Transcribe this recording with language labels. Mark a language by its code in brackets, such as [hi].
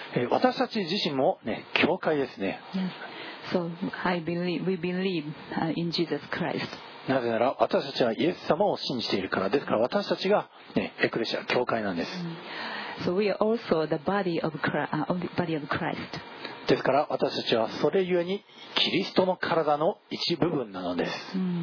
[ja] 私たち自身も、ね、教会ですね。 [en] Yes. So we believe in Jesus Christ. [ja] なぜなら私たちはイエス様を信じているから、ですから私たちが、ね、エクレシア、教会なんです。 [en] So we are also the body of Christ. [ja] ですから私たちはそれゆえにキリストの体の一部分なのです。